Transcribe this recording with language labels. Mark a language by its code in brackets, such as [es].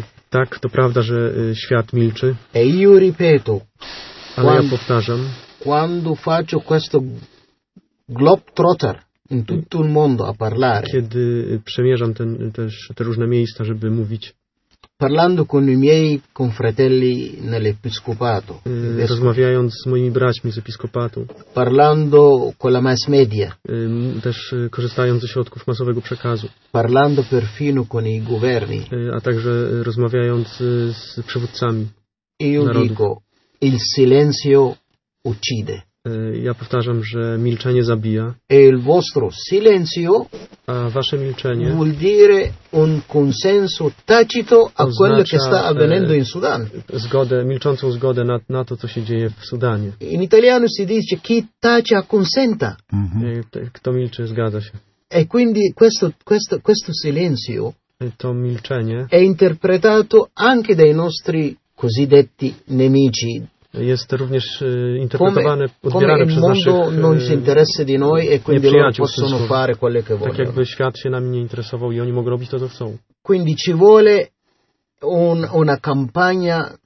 [pl] Tak, to prawda, że świat milczy. [it] E io ripeto, [pl] ale ja powtarzam, [it] quando faccio questo globetrotter in tutto il mondo a parlare, [pl] kiedy przemierzam te różne miejsca, żeby mówić, [it] parlando con i miei confratelli nell'episcopato, [pl] rozmawiając z moimi braćmi z episkopatu, [it] parlando con la mass media, [pl] też korzystając ze środków masowego przekazu, [it] parlando perfino con i governi, [pl] a także rozmawiając z przywódcami [it] narodów, io dico: il silenzio uccide. [pl] Ja powtarzam, że milczenie zabija. [it] E il vostro silenzio, [pl] a wasze milczenie, [it] vuol dire un consenso tacito a quello che sta avvenendo in Sudan. [pl] Zgodę, milczącą zgodę na to, co się dzieje w Sudanie. [it] In italiano si dice chi tace acconsenta. [pl] Kto milczy, zgadza się. [it] E quindi questo silenzio, [pl] to milczenie, [it] è interpretato anche dai nostri cosiddetti nemici. [pl] Jest również interpretowane, odbierane przez naszych nieprzyjaciół. Tak jakby świat się nami nie interesował i oni mogą robić to, co chcą. [it] Quindi ci vuole una kampania.